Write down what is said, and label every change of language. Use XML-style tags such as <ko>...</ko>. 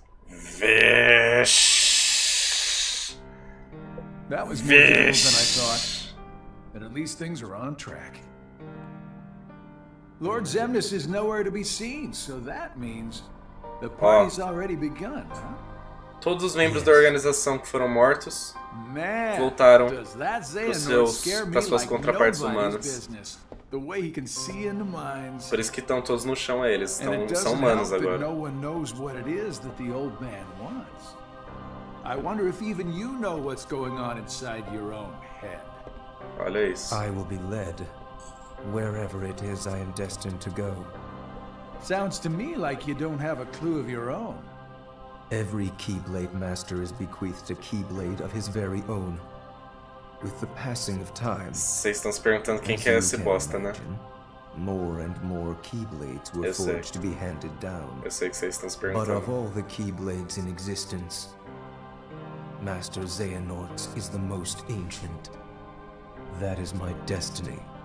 <en>Vish. That was more difficult than I thought. But at least things are on track. Lord Xemnas is nowhere to be seen, so that means the party's already begun, huh?</en> <pt>Todos os membros da organização que foram mortos voltaram para suas contrapartes humanas. Por isso que estão todos no chão, eles estão, são humanos agora.</pt> <en>No one knows what it is that the old man wants. I wonder if even you know what's going on inside your own head.</en> <pt>Olha isso.</pt> <en>I will be led wherever it is I am destined to go. Sounds to me like you don't have a clue of your own. Every Keyblade Master is bequeathed a Keyblade of his very own. With the passing of time,</en> <pt>vocês estão se perguntando quem que é esse bosta, né?</pt> <en>More and more Keyblades were forged to be handed down.</en> <pt>Eu sei que vocês estão se perguntando.</pt> <en>But of all the Keyblades in existence, Master Xehanort is the most ancient. That is my destiny.</en>